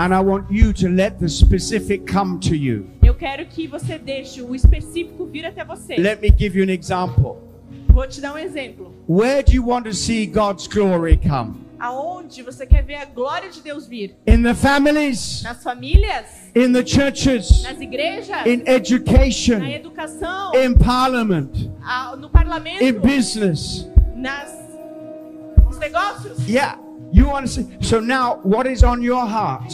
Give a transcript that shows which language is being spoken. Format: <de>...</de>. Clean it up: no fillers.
<en>And I want you to let the specific come to you.</en> <pt>Eu quero que você deixe o específico vir até você.</pt> <en>Let me give you an example.</en> <pt>Vou te dar um exemplo.</pt> <en>Where do you want to see God's glory come?</en> <pt>Aonde você quer ver a glória de Deus vir?</pt> <en>In the families.</en> <pt>Nas famílias.</pt> <en>In the churches.</en> <pt>Nas igrejas.</pt> <en>In education.</en> <pt>Na educação.</pt> <en>In parliament.</en> <pt>No parlamento.</pt> <en>In business.</en> <pt>Nos negócios.</pt> <en>Yeah, you want to see. So now, what is on your heart?</en>